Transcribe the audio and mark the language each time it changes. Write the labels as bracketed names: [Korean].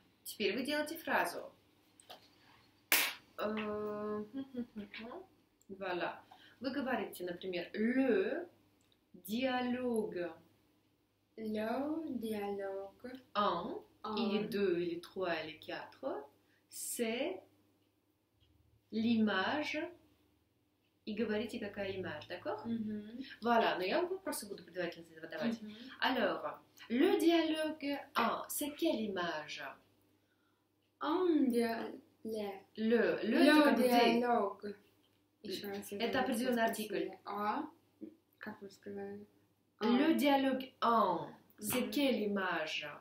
[Russian] Теперь вы делаете фразу. [French] Voilà. [Russian] Вы говорите, например, [French] le dialogue. Le dialogue. Un, или deux, или trois, или quatre. C'est l'image. [Russian] И говорите, какая image, d'accord? Mm-hmm. [French] Voilà. [Russian] Но я просто буду предварительно задавать. Mm-hmm. [French] Alors, le dialogue un, c'est quelle image? Un dialogue. Le [Russian] диалог. Это определенный артикль. А? Как вы сказали? [French] Le dialogue en. C'est quelle image?